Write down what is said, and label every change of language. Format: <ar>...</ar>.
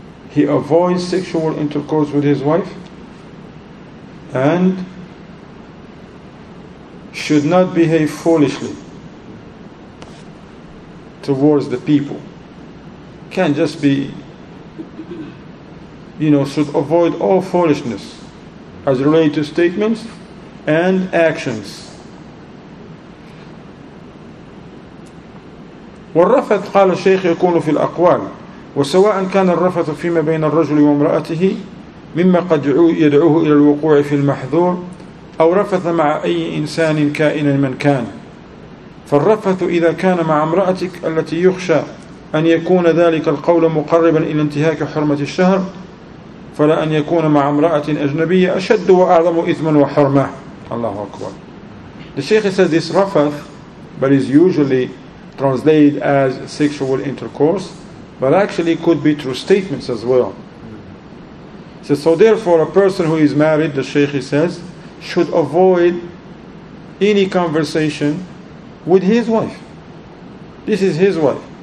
<en>He avoids sexual intercourse with his wife and should not behave foolishly towards the people. Can't just be, you know, should avoid all foolishness as related to statements and actions.</en> <ar>والرفث قال الشيخ يكون في الأقوال وسواء كان الرفث فيما بين الرجل وامرأته مما قد يدعوه إلى الوقوع في المحذور أو رفث مع أي إنسان كائنا من كان. فالرفث إذا كان مع امرأتك التي يخشى أن يكون ذلك القول مقربا إلى انتهاك حرمة الشهر فلا أن يكون مع امرأة أجنبية أشد وأعظم إثما وحرمة. الله أكبر.</ar> <en>The Sheikh says this rafath, but is usually translated as sexual intercourse, but actually could be through statements as well. So therefore a person who is married, the Shaykh says, should avoid any conversation with his wife. This is his wife.</en>